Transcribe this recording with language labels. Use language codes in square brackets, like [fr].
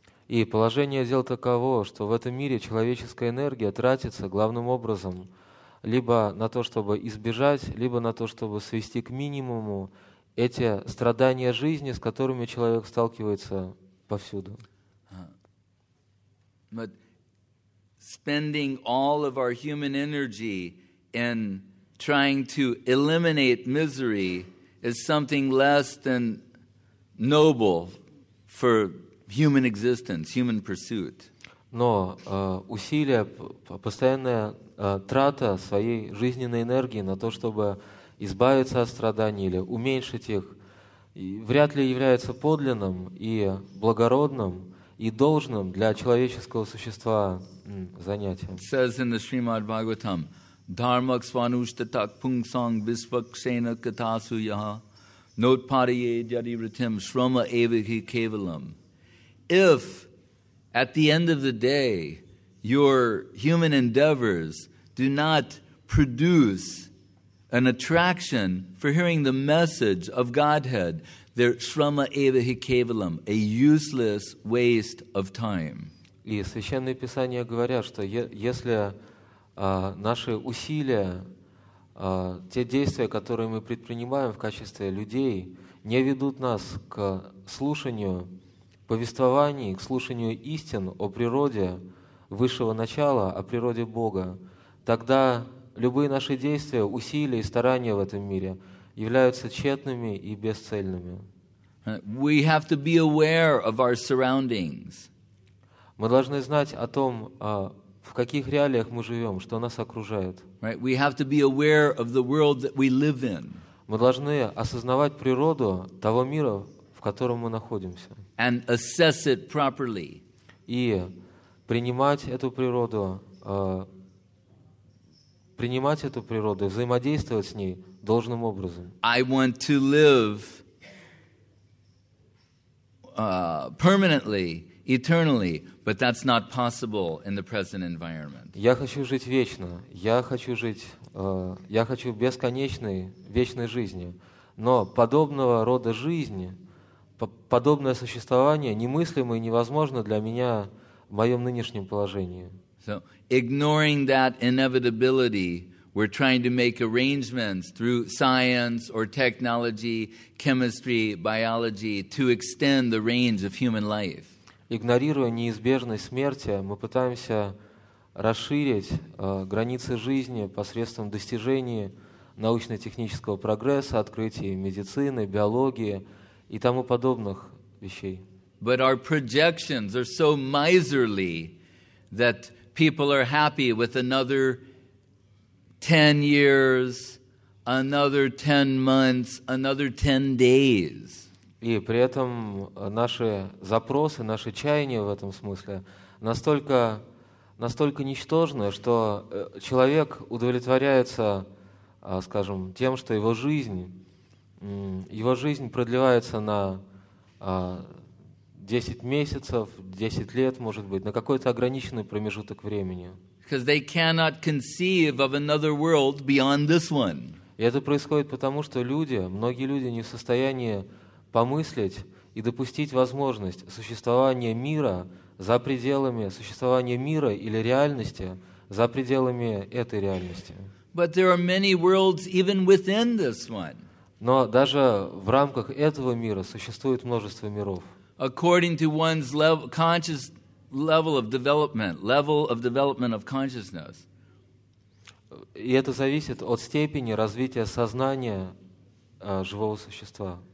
[ru] И положение дел таково, что в этом мире человеческая энергия тратится главным образом либо на то, чтобы избежать, либо на то, чтобы свести к минимуму эти страдания жизни, с которыми человек сталкивается повсюду. [en] But spending all of our human energy in trying to eliminate misery is something less than noble for human existence, human pursuit. [ru] Но усилия, постоянная трата своей жизненной энергии на то, чтобы избавиться от страданий или уменьшить их, вряд ли является подлинным и благородным и должным для человеческого существа занятием. [en] It says in the Srimad Bhagavatam, [sa] Dharmak svanushtatak pungsang visvakshena katasu yaha notpariye jadiritim shrama evahi kevalam. [en] If at the end of the day, your human endeavors do not produce an attraction for hearing the message of Godhead, they're [sa] shrama eva hi kevalam, [en] a useless waste of time. [ru] И Священные Писания говорят, что если наши усилия, те действия, которые мы предпринимаем в качестве людей, не ведут нас к слушанию повествований, к слушанию истин о природе высшего начала, о природе Бога, тогда любые наши действия, усилия и старания в этом мире являются тщетными и бесцельными. [en] We have to be aware of our surroundings. [ru] Мы должны знать о том, в каких реалиях мы живем, что нас окружает. [en] Right? We have to be aware of the world that we live in. [ru] Мы должны осознавать природу того мира, в котором мы находимся. [en] And assess it properly. [ru] И принимать эту природу, и взаимодействовать с ней должным образом. [en] I want to live permanently eternally, but that's not possible in the present environment. [ru] Я хочу жить вечно. Я хочу бесконечной, вечной жизни. Но подобного рода жизни, подобное существование немыслимо и невозможно для меня в моем нынешнем положении. [en] So, ignoring that inevitability, we're trying to make arrangements through science or technology, chemistry, biology, to extend the range of human life. [ru] Игнорируя неизбежность смерти, мы пытаемся расширить границы жизни посредством достижений научно-технического прогресса, открытий медицины, биологии и тому подобных вещей. [en] But our projections are so miserly that people are happy with another 10 years, another 10 months, another 10 days. [ru] И при этом наши запросы, наши чаяния в этом смысле настолько ничтожны, что человек удовлетворяется, скажем, тем, что его жизнь продлевается на 10 месяцев, 10 лет, может быть, на какой-то ограниченный промежуток времени. [en] Because they cannot conceive of another world beyond this one. [ru] И это происходит потому, что люди, многие люди не в состоянии помыслить и допустить возможность существования мира за пределами существования мира или реальности за пределами этой реальности. [en] But there are many worlds even within this one. [ru] Но даже в рамках этого мира существует множество миров. [en] According to one's level of development of consciousness. [ru] И это зависит от степени развития сознания живого существа.